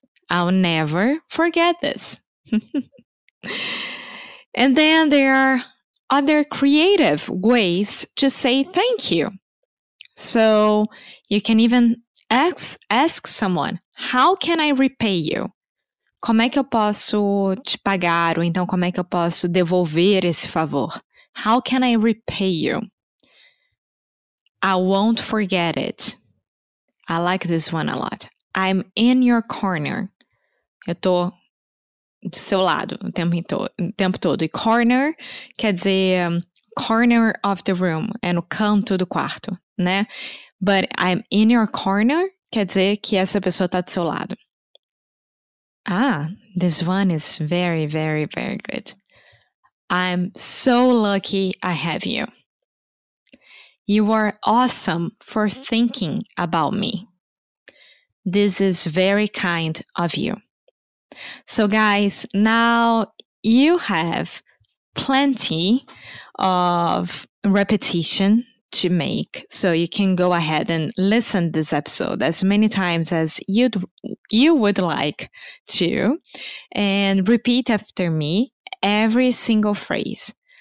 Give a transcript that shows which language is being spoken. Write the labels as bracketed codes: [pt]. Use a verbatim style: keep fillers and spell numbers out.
[en] I'll never forget this. And then there are other creative ways to say thank you. So you can even ask, ask someone, how can I repay you? [pt] Como é que eu posso te pagar? Ou então, como é que eu posso devolver esse favor? [en] How can I repay you? I won't forget it. I like this one a lot. I'm in your corner. [pt] Eu tô do seu lado o tempo, to- o tempo todo. E corner quer dizer um, [en] corner of the room. [pt] É no canto do quarto, né? [en] But I'm in your corner [pt] quer dizer que essa pessoa está do seu lado. [en] Ah, this one is very, very, very good. I'm so lucky I have you. You are awesome for thinking about me. This is very kind of you. So guys, now you have plenty of repetition to make, so you can go ahead and listen this episode as many times as you'd you would like to, and repeat after me every single phrase.